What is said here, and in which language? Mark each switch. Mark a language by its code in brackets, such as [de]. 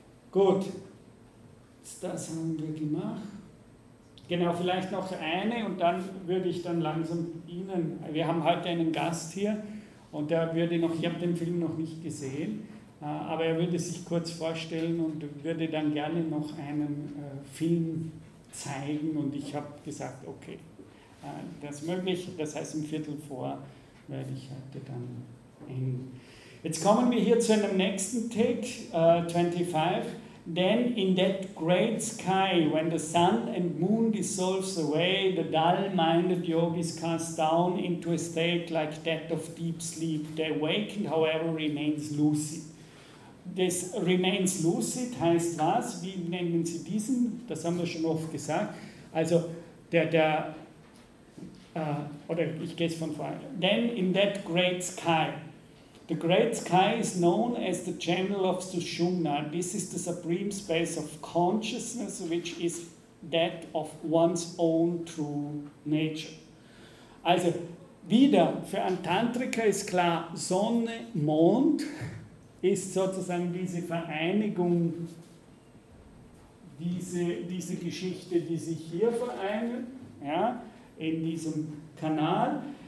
[de] Gut, das haben wir gemacht. Genau, vielleicht noch eine und dann würde ich dann langsam Ihnen, wir haben heute einen Gast hier und der würde noch, ich habe den Film noch nicht gesehen, aber er würde sich kurz vorstellen und würde dann gerne noch einen Film zeigen und ich habe gesagt, okay, das ist möglich, das heißt im Viertel vor werde ich heute dann enden. Jetzt kommen wir hier zu einem nächsten Take, 25. [en] Then in that great sky, when the sun and moon dissolves away, the dull-minded yogis cast down into a state like that of deep sleep. The awakened, however, remains lucid. This remains lucid [de] heißt was? Wie nennen Sie diesen? Das haben wir schon oft gesagt. Also der oder ich gehe es von vorne. [en] Then in that great sky. The great sky is known as the channel of Sushumna. This is the supreme space of consciousness, which is that of one's own true nature. [de] Also, wieder, für einen Tantriker ist klar, Sonne, Mond ist sozusagen diese Vereinigung, diese Geschichte, die sich hier vereinen, ja, in diesem Kanal.